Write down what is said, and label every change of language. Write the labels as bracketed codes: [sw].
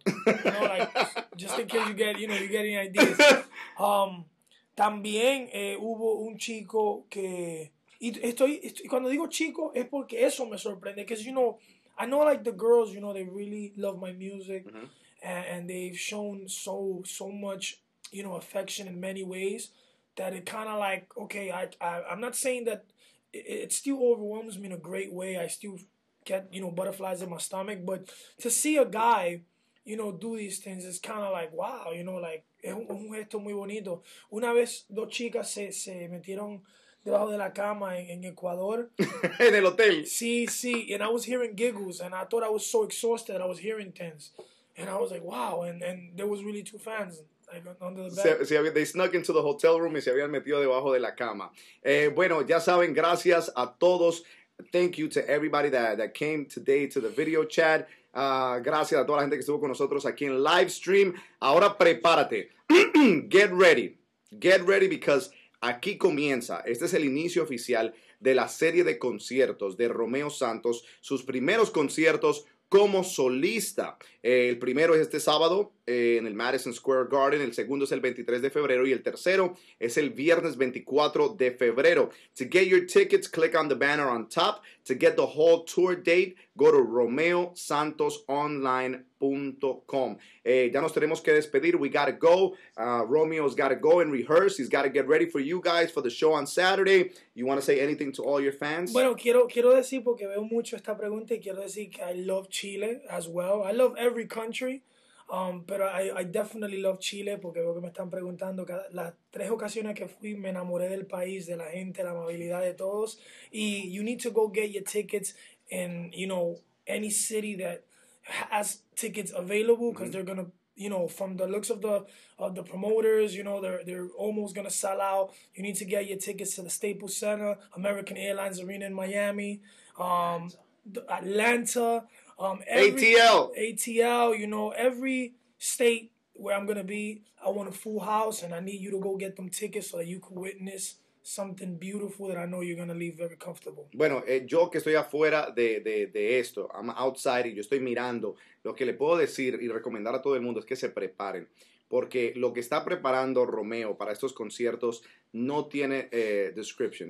[en] You know, like, just in case you get, you know, you get any ideas. [es] También hubo un chico que... Y estoy cuando digo chico, es porque eso me sorprende. [en] Because, you know, I know, like, the girls, you know, they really love my music. Mm-hmm. And they've shown so much, you know, affection in many ways that it kind of like, okay, I'm not saying that it still overwhelms me in a great way. I still get, you know, butterflies in my stomach. But to see a guy, you know, do these things is kind of like, wow, you know, like, [es] es un gesto muy bonito. Una vez dos chicas se metieron debajo de la cama en Ecuador. En el hotel. Sí, [en] and I was hearing giggles, and I thought I was so exhausted that I was hearing things. And I was like, wow, and there was really two fans, like, under the bed. They snuck into the hotel room [es] y se habían metido debajo de la cama. Bueno, ya saben, gracias a todos. [en] Thank you to everybody that came today to the video chat. [es] Gracias a toda la gente que estuvo con nosotros aquí en live stream. Ahora prepárate. [en] Get ready. Get ready because [es] aquí comienza. Este es el inicio oficial de la serie de conciertos de Romeo Santos. Sus primeros conciertos como solista. El primero es este sábado en el Madison Square Garden, el segundo es el 23 de febrero y el tercero es el viernes 24 de febrero. [en] To get your tickets, click on the banner on top. To get the whole tour date, go to romeosantosonline.com. [es] Ya nos tenemos que despedir. [en] We gotta go. Romeo's gotta go and rehearse. He's gotta get ready for you guys for the show on Saturday. You wanna say anything to all your fans? [es] Bueno, quiero decir, porque veo mucho esta pregunta, y quiero decir que [en] I love Chile as well. I love every country. Pero I definitely love Chile, [es] porque veo que me están preguntando. Las tres ocasiones que fui, me enamoré del país, de la gente, la amabilidad de todos. [en] Y you need to go get your tickets in, you know, any city that has tickets available, because mm-hmm. they're gonna, you know, from the looks of the promoters, you know, they're almost gonna sell out. You need to get your tickets to the Staples Center, American Airlines Arena in Miami, Atlanta. ATL, you know, every state where I'm going to be, I want a full house, and I need you to go get them tickets so that you can witness something beautiful that I know you're going to leave very comfortable. [es] Bueno, yo que estoy afuera de esto, [en] I'm outside, [es] y yo estoy mirando, lo que le puedo decir y recomendar a todo el mundo es que se preparen, porque lo que está preparando Romeo para estos conciertos no tiene description.